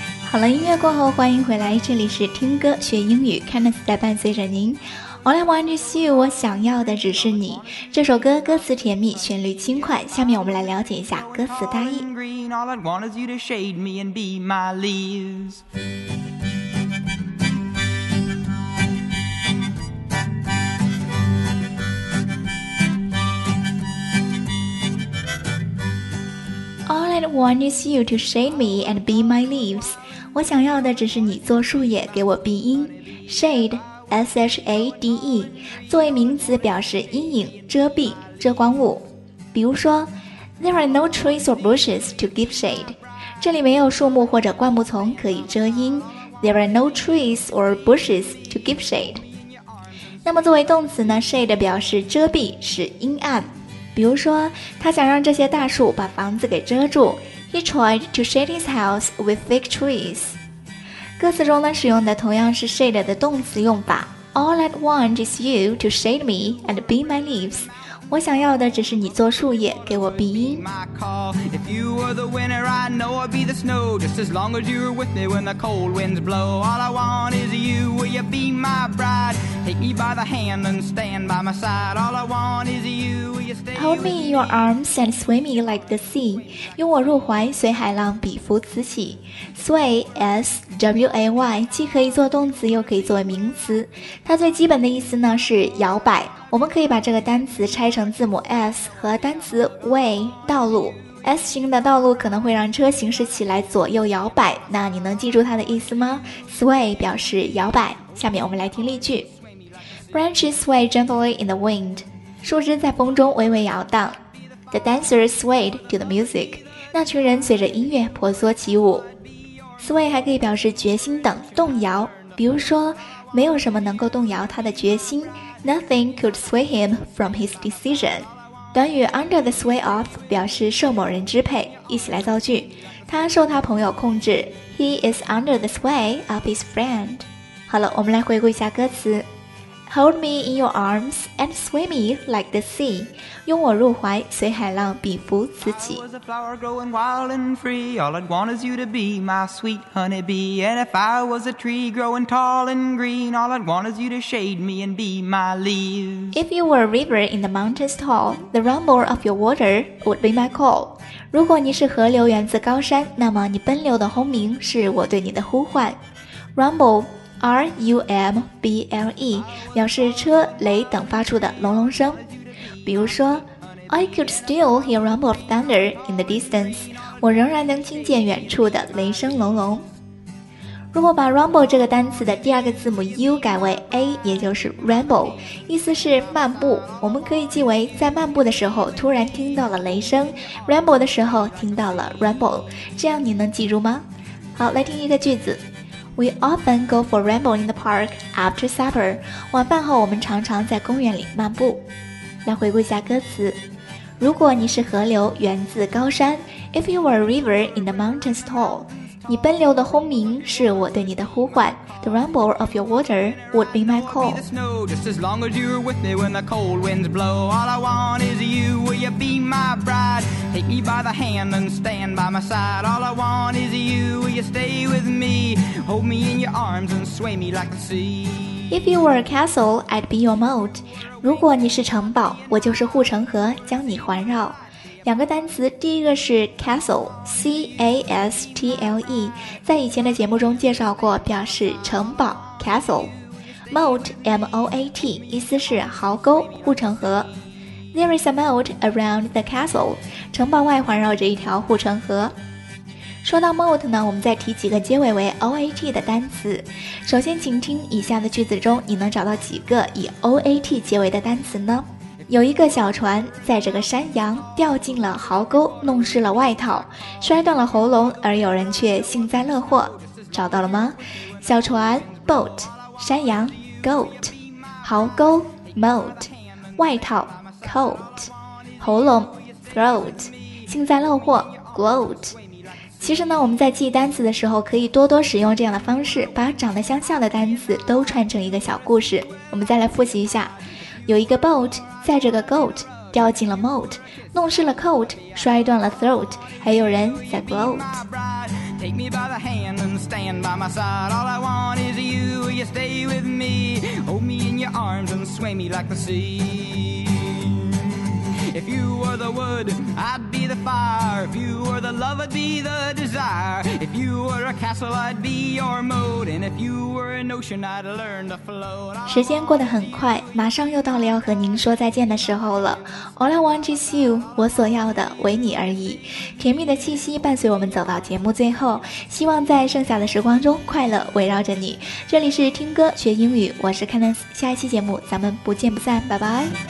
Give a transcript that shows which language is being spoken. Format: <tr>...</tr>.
<zh>好了，音乐过后欢迎回来，这里是听歌学英语， Kenneth 在伴随着您。</zh> <en>All I want is you,</en> <zh>我想要的只是你，这首歌歌词甜蜜，旋律轻快，下面我们来了解一下歌词大意。</zh> <en>All I want is you to shade me and be my leavesAll I want is you to shade me and be my leaves.</en> <zh>我想要的只是你做树叶给我庇荫。Shade, S-H-A-D-E, 作为名词表示阴影、遮蔽、遮光物。比如说</zh> <en>There are no trees or bushes to give shade.</en> <zh>这里没有树木或者灌木丛可以遮阴。</zh> <en>There are no trees or bushes to give shade.</en> <zh>那么作为动词呢， shade 表示遮蔽，是阴暗。比如说，他想让这些大树把房子给遮住。</zh> <en>He tried to shade his house with thick trees.</en> <zh>歌词中呢，使用的同样是 shade 的动词用法。</zh> <en>All I want is you to shade me and be my leaves.</en> <zh>我想要的只是你做树叶，给我庇荫。</zh> <en>If you were the winter, I know I'd be the snow. Just as long as you were with me when the cold winds blow. All I want is you, will you be my bride? Take me by the hand and stand by my side. All I want is you. Hold me in your arms and sway me like the sea.</en> <zh>拥我入怀，随海浪比浮此起。Sway, S-W-A-Y, 既可以做动词，又可以作为名词。它最基本的意思呢，是摇摆。我们可以把这个单词拆成字母 S 和单词 way, 道路。 S 型的道路可能会让车行驶起来左右摇摆，那你能记住它的意思吗？ Sway 表示摇摆。下面我们来听例句。</zh> <en>Branches sway gently in the wind.</en> <zh>树枝在风中微微摇荡。</zh> <en>The dancers swayed to the music.</en> <zh>那群人随着音乐婆娑起舞。Sway 还可以表示决心等动摇，比如说没有什么能够动摇他的决心，</zh> <en>Nothing could sway him from his decision.</en> <zh>短语</zh> <en>under the sway of</en> <zh>表示受某人支配，一起来造句。他受他朋友控制，</zh> <en>He is under the sway of his friend.</en> <zh>好了，我们来回顾一下歌词。</zh> <en>Hold me in your arms and sway me like the sea.</en> <zh>拥我入怀，随海浪比伏自己。</zh> <en>I was a flower growing wild and free. All I'd want is you to be my sweet honeybee. And if I was a tree growing tall and green, all I'd want is you to shade me and be my leaves. If you were a river in the mountains tall, the rumble of your water would be my call.</en> <zh>如果你是河流源自高山，那么你奔流的轰鸣是我对你的呼唤。</zh> <en>RumbleRUMBLE</en> <zh>表示车雷等发出的隆隆声，比如说</zh> <en>I could still hear rumble of thunder in the distance.</en> <zh>我仍然能听见远处的雷声隆隆。如果把 rumble 这个单词的第二个字母 U 改为 A， 也就是 ramble， 意思是漫步，我们可以记为在漫步的时候突然听到了雷声， ramble 的时候听到了 rumble， 这样你能记住吗？好，来听一个句子。</zh> <en>We often go for ramble in the park after supper.</en> <zh>晚饭后我们常常在公园里漫步。来回顾一下歌词。如果你是河流源自高山，</zh> <en>If you were a river in the mountains tall,</en> <zh>你奔流的轰鸣是我对你的呼唤。</zh> <en>The rumble of your water would be my call. The snow just as long as you're with me when the cold winds blow. All I want is you, will you be my bride? Take me by the hand and stand by my side. All I want is you, will you stay with me? Hold me in your arms and sway me like the sea. If you were a castle, I'd be your moat.</en> <zh>如果你是城堡，我就是护城河，将你环绕。两个单词，第一个是 castle, C-A-S-T-L-E， 在以前的节目中介绍过，表示城堡 castle. Moat, M-O-A-T， 意思是壕沟、护城河。 There is a moat around the castle. 城堡外环绕着一条护城河。说到 moat 呢，我们再提几个结尾为 oat 的单词。首先请听以下的句子中，你能找到几个以 oat 结尾的单词呢？有一个小船载着个山羊掉进了壕沟，弄湿了外套，摔断了喉咙，而有人却幸灾乐祸。找到了吗？小船 boat， 山羊 goat， 壕沟 moat， 外套 coat， 喉咙 throat， 幸灾乐祸 gloat。其实呢，我们在记单词的时候可以多多使用这样的方式，把长得相像的单词都串成一个小故事。我们再来复习一下。有一个 boat 载着个 goat 掉进了 moat， 弄湿了 coat， 摔断了 throat， 还有人在 gloat。</zh> <en>Take me by the hand and stand by my side. All I want is you, will you stay with me? Hold me in your arms and sway me like the sea. If you were the wood, I'd be the fire. If you were the love, I'd be the desire. If you were a castle, I'd be your moat. And if you were an ocean, I'd learn to float.</en> <zh>时间过得很快，马上又到了要和您说再见的时候了。</zh> <en>All I want is you,</en> <zh>我所要的为你而已。甜蜜的气息伴随我们走到节目最后，希望在剩下的时光中快乐围绕着你。这里是听歌学英语，我是 Candice， 下一期节目咱们不见不散，拜拜。</zh>